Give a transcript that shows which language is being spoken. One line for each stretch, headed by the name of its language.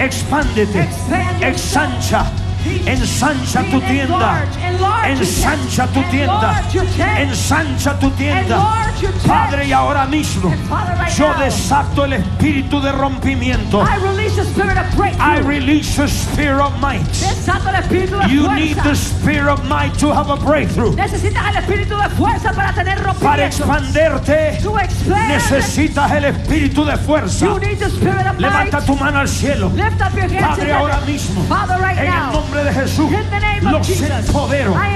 Spanish: Expándete. Exancha. Ensancha tu tienda. Ensancha tu tienda. Ensancha tu tienda. Padre, y ahora mismo yo desato el espíritu de rompimiento.
English: I release the spirit of might. You need the spirit of might to have a breakthrough.
Spanish: Necesitas el espíritu de fuerza para tener rompimiento. Para expanderte necesitas el espíritu de fuerza. Levanta tu mano al cielo. Padre, ahora mismo en el nombre de Jesús, los empodero.